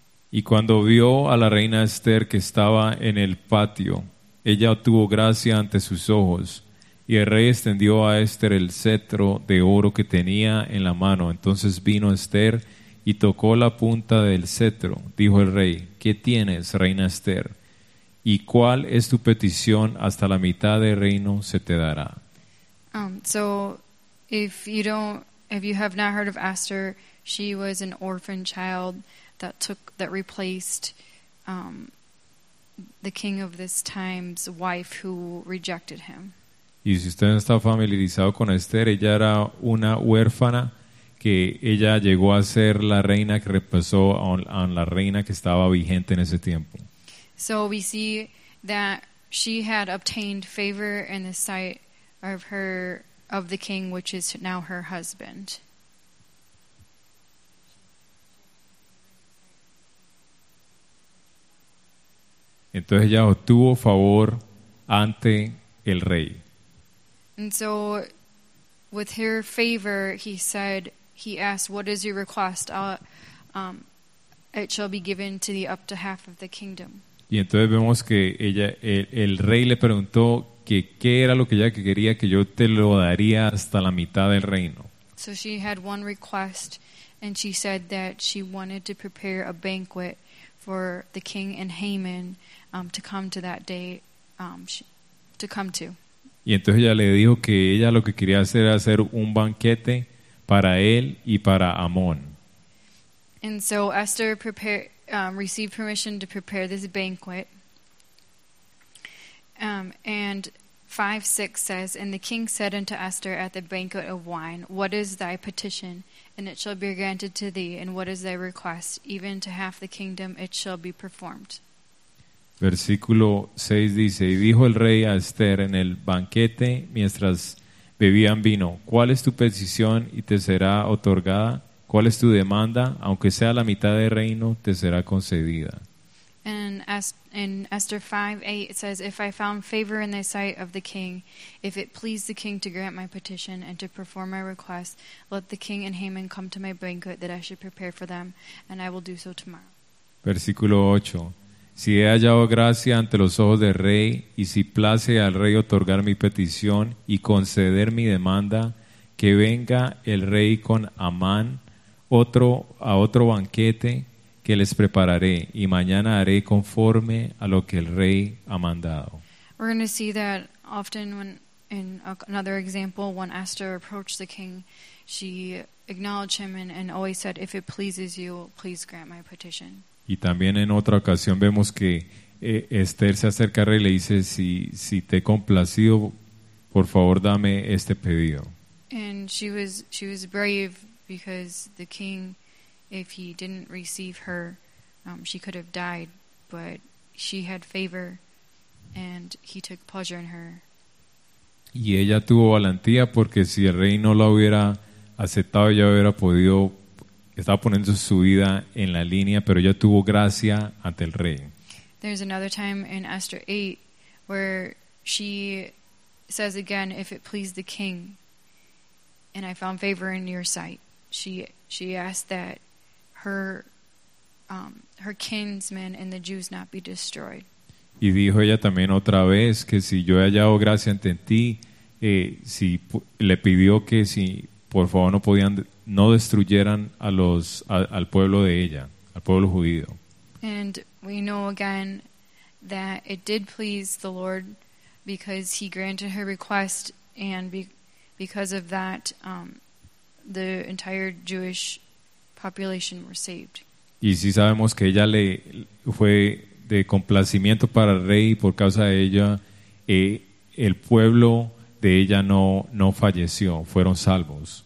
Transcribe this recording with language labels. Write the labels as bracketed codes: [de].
[es] Y cuando vio a la reina Esther que estaba en el patio, ella obtuvo gracia ante sus ojos, y el rey extendió a Esther el cetro de oro que tenía en la mano. Entonces vino Esther y tocó la punta del cetro. Dijo el rey, ¿qué tienes, reina Esther? ¿Y cuál es tu petición? Hasta la mitad del reino se te dará. [en] So if you have not heard of Esther, she was an orphan child that replaced the king of this time's wife who rejected him. [es] Y si usted no está familiarizado con Esther, ella era una huérfana que ella llegó a ser la reina que reemplazó a la reina que estaba vigente en ese tiempo. [en] So we see that she had obtained favor in the sight of the king, which is now her husband. [es] Entonces ella obtuvo favor ante el rey. [en] And so with her favor, he asked, what is your request? It shall be given to thee up to half of the kingdom. [es] Y entonces vemos que ella, el rey le preguntó que qué era lo que ella quería, que yo te lo daría hasta la mitad del reino. [en] So she had one request, and she said that she wanted to prepare a banquet for the king and Haman to come to that day, to come to. [es] Y entonces ella le dijo que ella lo que quería hacer era hacer un banquete para él y para Amón. [en] And so Esther received permission to prepare this banquet. And 5:6 says, "And the king said unto Esther at the banquet of wine, What is thy petition? And it shall be granted to thee. And what is thy request? Even to half the kingdom it shall be performed." [es] Versículo 6 dice, y dijo el rey a Esther en el banquete mientras bebían vino, ¿cuál es tu petición y te será otorgada? ¿Cuál es tu demanda? Aunque sea la mitad del reino, te será concedida. [en] And in Esther 5:8 it says, if I found favor in the sight of the king, if it please the king to grant my petition and to perform my request, let the king and Haman come to my banquet that I should prepare for them, and I will do so tomorrow. [es] Versículo 8. Si he hallado gracia ante los ojos del rey, y si place al rey otorgar mi petición y conceder mi demanda, que venga el rey con Amán a otro banquete que les prepararé, y mañana haré conforme a lo que el rey ha mandado. [en] We're going to see that often when, in another example, when Esther approached the king, she acknowledged him and always said, if it pleases you, please grant my petition. [es] Y también en otra ocasión vemos que Esther se acerca y le dice, si te he complacido, por favor dame este pedido. [en] And she was brave because the king, if he didn't receive her, she could have died, but she had favor and he took pleasure in her. [es] Y ella tuvo valentía porque si el rey no la hubiera aceptado, ella hubiera podido. Estaba poniendo su vida en la línea, pero ella tuvo gracia ante el rey. [en] There's another time in Esther 8 where she says again, if it pleased the king and I found favor in your sight. She asked that her kinsmen and the Jews not be destroyed. [es] Y dijo ella también otra vez que si yo he hallado gracia ante ti, si le pidió que si por favor no destruyeran al pueblo de ella, al pueblo judío. [en] And we know again that it did please the Lord because he granted her request, and because of that the entire Jewish population were saved. [es] Y sí sabemos que ella le fue de complacimiento para el rey, y por causa de ella el pueblo de ella no falleció, fueron salvos.